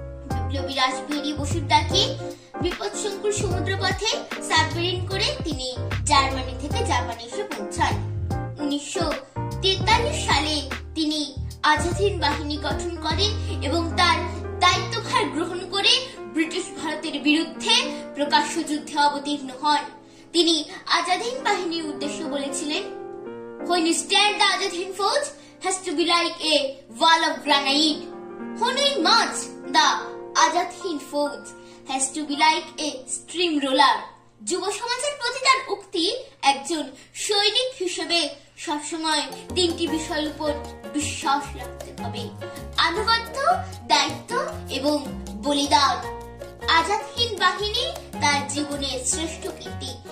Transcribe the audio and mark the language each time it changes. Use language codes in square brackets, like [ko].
[bn] বিপ্লবী রাসবিহারী বসুর ডাকে বিপদসংকুল সমুদ্রপথে সাবমেরিন করে তিনি জার্মানি থেকে জাপানে এসে পৌঁছান। 1943 সালে তিনি আজাদিন বাহিনী গঠন করেন এবং তার দায়িত্বভার গ্রহণ করে ব্রিটিশ ভারতের বিরুদ্ধে প্রকাশ্য যুদ্ধে অবতীর্ণ হন। তিনি আজাদিন বাহিনীর উদ্দেশ্যে বলেছিলেন, [en] When you stand the Azadhin force has to be like a wall of granite. When we march the Azadhin force has to be like a steamroller. [bn] যুব সমাজের প্রতি তার উক্তি, একজন সৈনিক হিসেবে সবসময় তিনটি বিষয়ের উপর বিশ্বাস রাখতে হবে, আনুগত্য, দায়িত্ব এবং বলিদান। আজাদহীন বাহিনী তার জীবনের শ্রেষ্ঠ কীর্তি।